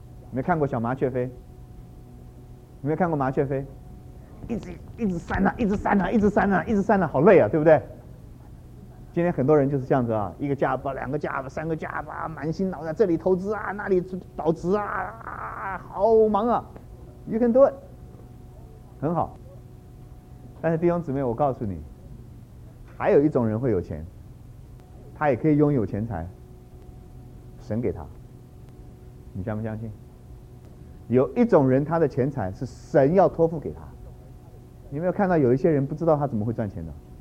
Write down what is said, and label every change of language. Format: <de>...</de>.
<zh>你没看过小麻雀飞？你没看过麻雀飞？一直扇啊，一直扇啊，一直扇啊，一直扇啊，好累啊，对不对？今天很多人就是这样子啊，一个家伙，两个家伙，三个家伙，满心脑袋这里投资啊，那里保值啊，好忙啊。</zh> <en>You can do it，</en> <zh>很好。但是弟兄姊妹，我告诉你，还有一种人会有钱，他也可以拥有钱财，神给他。你相不相信？有一种人，他的钱财是神要托付给他。你有没有看到有一些人不知道他怎么会赚钱的？</zh>